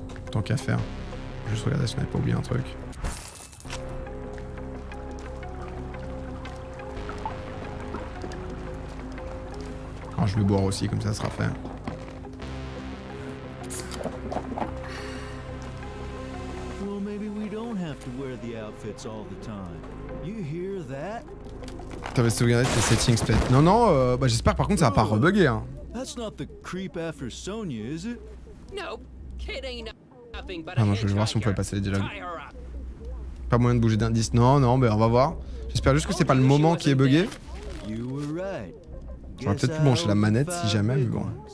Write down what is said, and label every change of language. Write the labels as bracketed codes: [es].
[fr] Tant qu'à faire. Juste regarder si on avait pas oublié un truc. Alors, je vais boire aussi, comme ça sera fait. [en] Well, maybe we don't have to wear the outfits all the time. You hear that? [fr] T'avais sauvegardé tes settings peut-être. Non, bah j'espère par contre ça va pas rebugger hein. [en] That's not the creep after Sonya, is it? Nope. Kid ain't nothing but a hitchhiker. [fr] Je vais voir si on pouvait passer les dialogues. Pas moyen de bouger d'indice. Non, bah on va voir. J'espère juste que c'est pas le moment qui est bugué. J'aurais peut-être pu brancher la manette si jamais, mais bon.